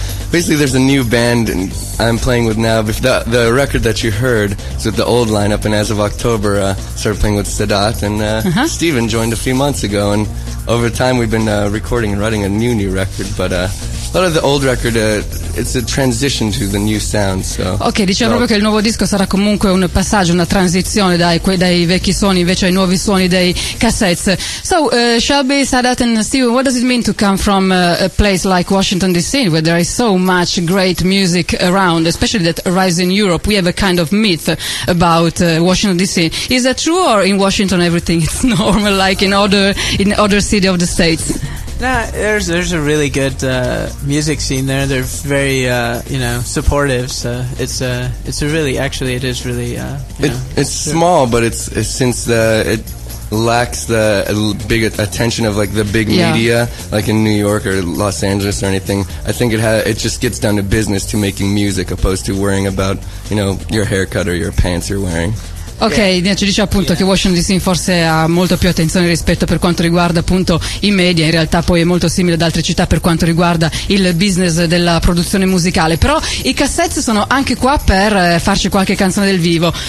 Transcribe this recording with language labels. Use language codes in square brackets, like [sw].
[en] Basically, there's a new band I'm playing with now. The record that you heard is with the old lineup, and as of October, started playing with Sadat, and Steven joined a few months ago, and over time we've been recording and writing a new record, but a lot of the old record, it's a transition to the new sound, so. [it] Ok, diceva proprio che il nuovo disco sarà comunque un passaggio, una transizione dai vecchi suoni invece ai nuovi suoni dei Cassettes. [en] So, Shelby, Sadat and Steven, what does it mean to come from a place like Washington DC, where there is so much great music around, especially that arrives in Europe? We have a kind of myth about Washington DC. Is that true, or in Washington everything is normal, like in other city of the States? Nah, there's a really good music scene there. They're very supportive. So it's small, but it's since it lacks the big attention of like the big media, like in New York or Los Angeles or anything. I think it just gets down to business, to making music, opposed to worrying about your haircut or your pants you're wearing. [it] Ok, ci dice appunto che Washington DC forse ha molto più attenzione rispetto per quanto riguarda appunto i media. In realtà poi è molto simile ad altre città per quanto riguarda il business della produzione musicale. Però i Cassettes sono anche qua per farci qualche canzone del vivo.